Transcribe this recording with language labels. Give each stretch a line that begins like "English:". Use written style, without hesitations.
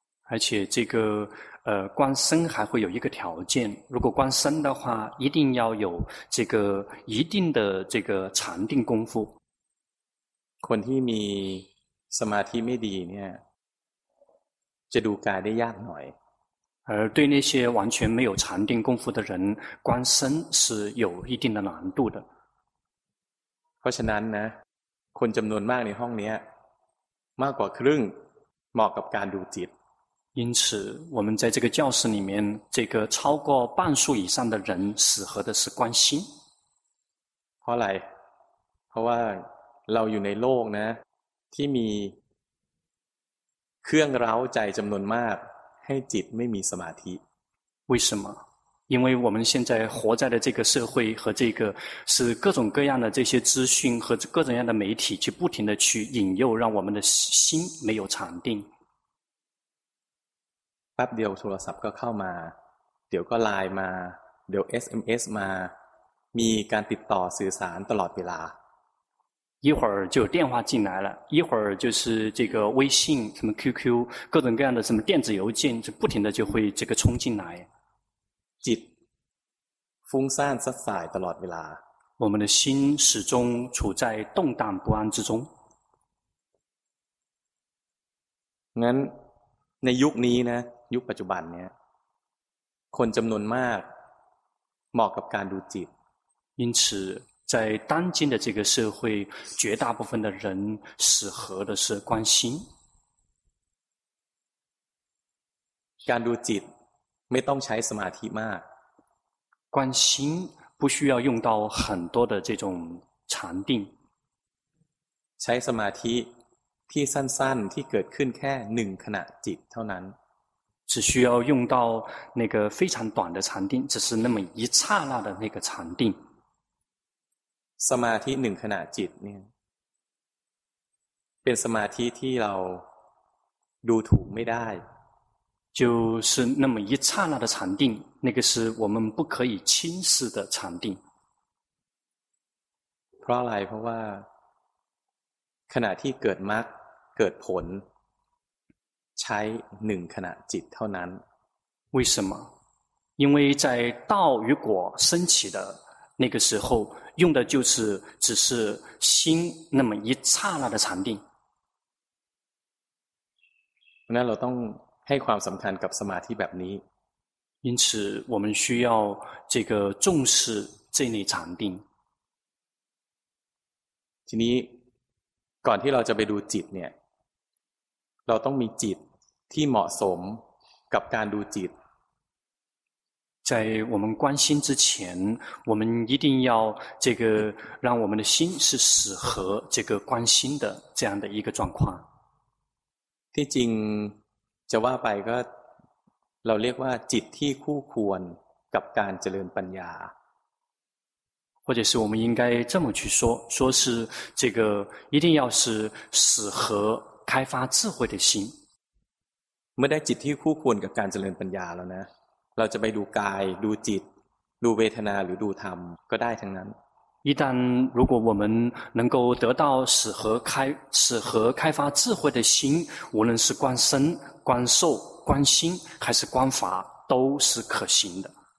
Chinese: 而且这个观身还会有一个条件如果观身的话一定要有这个一定的这个禅定功夫
Thai: คนที่มีสมาธิไม่ดีเนี่ยจะดูกายได้ยากหน่อย
Chinese: 而对那些完全没有禅定功夫的人观身是有一定的难度的
Thai: เพราะฉะนั้นนะคนจำนวนมากในห้องนี้มากกว่าครึ่งเหมาะกับการดูจิต
Chinese: 因此我们在这个教室里面这个超过半数以上的人适合的是观心
Thai: เพราะอะไรเพราะว่าเราอยู่ในโลกนะที่มีเครื่องเร้าใจจำนวนมากให้จิตไม่มีสมาธิ
Chinese: 为什么因为我们现在活在的这个社会和这个是各种各样的这些资讯和各种各样的媒体去不停的去引诱让我们的心没有禅定
Thai: แป๊บเดียวโทรศัพท์ก็เข้ามาเดี๋ยวก็ไลน์มาเดี๋ยว SMS มามีการติดต่อสื่อสารตลอดเวลา
Chinese: 一会儿就有电话进来了一会儿就是这个微信什么 QQ 各种各样的什么电子邮件就不停的就会这个冲进来
Thai: จิตฟุ้งซ่านสัดสายตลอดเวลา
Chinese: 我们的心始终处在动荡不安之中
Thai: งั้นในยุคนี้นะยุคปัจจุบันเนี้ยคนจำนวนมากเหมาะกับการดูจิต
Chinese: 因此在当今的这个社会绝大部分的人适合的是观心
Thai: การดูจิตไม่ต้องใช้สมาธิมาก
Chinese: 观心不需要用到很多的这种禅定
Thai: ใช้สมาธิที่สั้นๆที่เกิดขึ้นแค่หนึ่งขณะจิตเท่านั้น
Chinese: 只需要用到那个非常短的禅定只是那么一刹那的那个禅定
Thai: สมาธิหนึ่งขณะจิตเนี่ยเป็นสมาธิที่เราดูถูกไม่ได้
Chinese: 就是那么一刹那的禅定，那个是我们不可以轻视的禅定。
Thai: เพราะอะไรเพราะว่าขณะที่เกิดมรรคเกิดผลใช้หนึ่งขณะจิตเท่านั้น
Chinese: 为什么？因为在道与果升起的那个时候，用的就是只是心那么一刹那的禅定。
Thai: 那เราต้องให้ความสำคัญกับสมาธิแบบนี้
Chinese: 因此我们需要这个重视这类禅定
Thai: ทีนี้ก่อนที่เราจะไปดูจิตเนี่ยเราต้องมีจิตที่เหมาะสมกับการดูจิต
Chinese: 在我们观心之前我们一定要这个让我们的心是适合这个观心的这样的一个状况
Thai: ที่จริงจะว่าไปก็เราเรียกว่าจิตที่คู่ควรกับการเจริญปัญญา
Chinese: 或者是我们应该这么去说说是这个一定要是适合开发智慧的心
Thai: เมื่อได้จิตที่คู่ควรกับการเจริญปัญญาแล้วนะเราจะไปดูกายดูจิตดูเวทนาหรือดูธรรมก็ได้ทั้งนั้น
Chinese: 一旦如果我们能够得到适合开发智慧的心无论是观身观受观心还是观法都是可行的